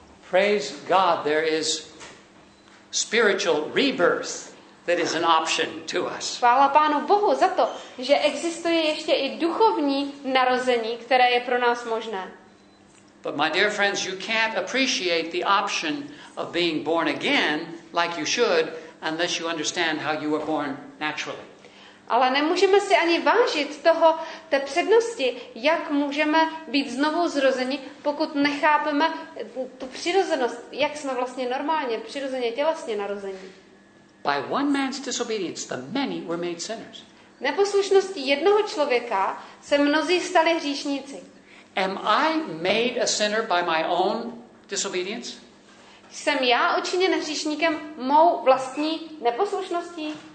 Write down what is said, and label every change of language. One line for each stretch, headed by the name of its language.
English: Praise God, there is spiritual rebirth that is an option to us.
Czech: Chvála Pánu Bohu za to, že existuje ještě i duchovní narození, které je pro nás možné.
English: But my dear friends, you can't appreciate the option of being born again like you should unless you understand how you were born naturally.
Czech: Ale nemůžeme si ani vážit toho, té přednosti, jak můžeme být znovu zrozeni, pokud nechápeme tu přirozenost, jak jsme vlastně normálně, přirozeně, tělesně narození.
English: By one man's disobedience, the many were made sinners.
Czech: Neposlušností jednoho člověka se mnozí stali hříšníci.
English: Am I made a sinner by my own disobedience?
Czech: Jsem já učiněn hříšníkem mou vlastní neposlušností?